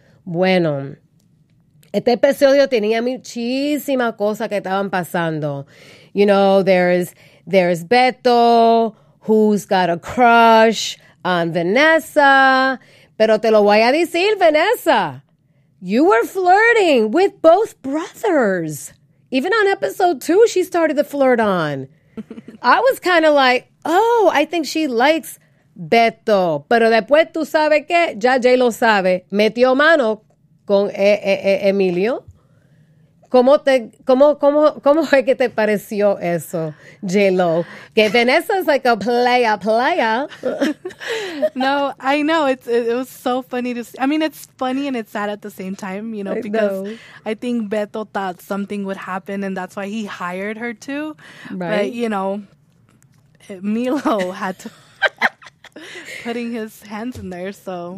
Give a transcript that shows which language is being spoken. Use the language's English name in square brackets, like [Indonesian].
[Spanish] Bueno, este episodio tenía muchísima cosa que estaban pasando. [English] You know, there's Beto, who's got a crush on Vanessa. [Spanish] Pero te lo voy a decir, [English] Vanessa. You were flirting with both brothers. Even on episode two, she started the flirt on. I was kind of like, oh, I think she likes Beto. [Spanish] Pero después, ¿tú sabes qué? Ya Jay lo sabe. Metió mano con Emilio. ¿Cómo fue que te pareció eso, J-Lo? [English] Que Vanessa is like a playa. No, I know. It was so funny to see. I mean, it's funny and it's sad at the same time, you know, I think Beto thought something would happen and that's why he hired her too. Right. But, you know, Milo had to putting his hands in there, so